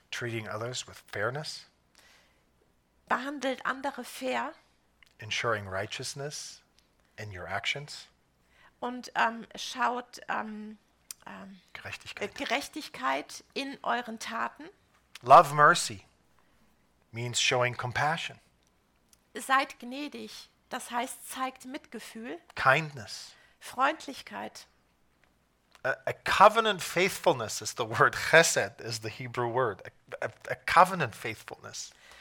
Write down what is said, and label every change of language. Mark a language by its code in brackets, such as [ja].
[en] Treating others with fairness. [de] Behandelt andere fair. [en] Ensuring righteousness in your actions. [de] Und schaut Gerechtigkeit in euren Taten. [en] Love mercy means showing compassion. [de] Seid gnädig, das heißt, zeigt Mitgefühl. [en] Kindness. [de] Freundlichkeit. [en] A covenant faithfulness is the word. Chesed is the Hebrew word. A covenant faithfulness.